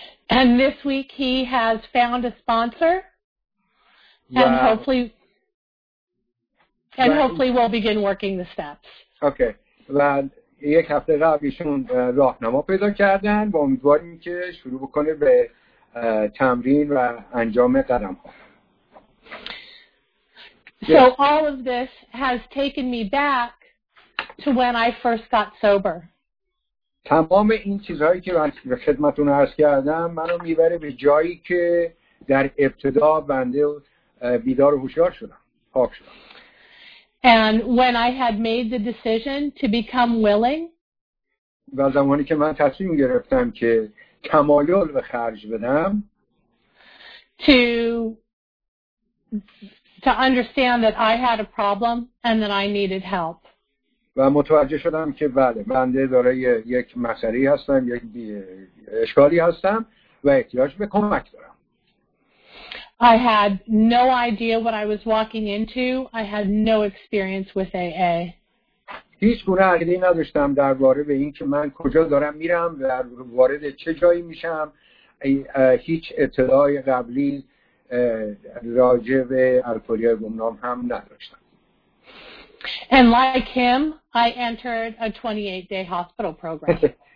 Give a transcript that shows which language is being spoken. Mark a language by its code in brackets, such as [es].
[en] And this week he has found a sponsor, and hopefully we'll begin working the steps. Okay. [fa] And یک هفته قبل ایشون راهنما پیدا کردن و امیدواریم که شروع بکنه به تمرین و انجام قدم ها. [en] So all of this has taken me back to when I first got sober. [fa] تمام این چیزهایی که من به خدمتون عرض کردم منو میبره به جایی که در ابتدا بنده بیدار و هوشیار شدم، پاک شدم. [en] And when I had made the decision to become willing [fa] و زمانی که من تصمیم گرفتم که کمالل به خرج بدم [en] to understand that I had a problem and that I needed help. [fa] و متوجه شدم که بله بنده دارای یک مسئله هستم، یک اشکالی هستم و احتیاج به کمک دارم. [en] I had no idea what I was walking into. I had no experience with AA. [fa] هیچ گونه عقیده‌ای نداشتم درباره به اینکه من کجا دارم میرم و وارد چه جایی میشم. هیچ اطلاعی قبلی راجع به الکلی گمنام هم نداشتم. [en] And like him, I entered a 28-day hospital program.